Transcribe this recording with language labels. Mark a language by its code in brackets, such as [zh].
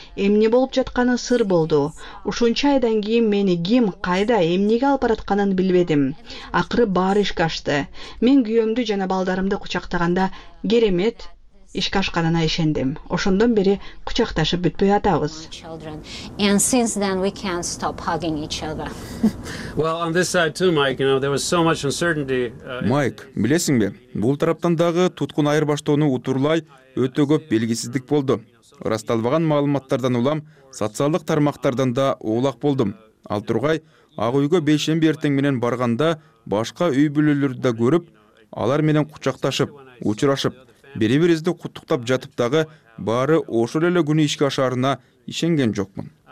[ky] Эмне болуп жатканы сыр болду. Ушунча айдан кийин мени ким, кайда, эмнеге алып баратканын билбедим. Акыры баары ишке ашты. Мен күйөмдү жана балдарымды кучактаганда керемет ишке ашканына ишендим. Ошондон бери кучакташып бүтпөй атабыз. [en] And since then we can't stop hugging each other. Well, on this side too, Mike, you know, there was so much uncertainty. [ky] Майк, билесиңби? Бул тараптан дагы туткун айырбаштоону утурлай өтө көп белгисиздик болду. Расталбаган маалыматтардан улам социалдык тармактардан да оолак болдум. Ал тургай Ак үйгө бейшемби эртең менен барганда башка үй бүлөлөрдү да көрүп, алар менен кучакташып, учурашып, бири бирибизди куттуктап жатып дагы баары ошол эле күнү ишке ашаарына ишенген жокмун.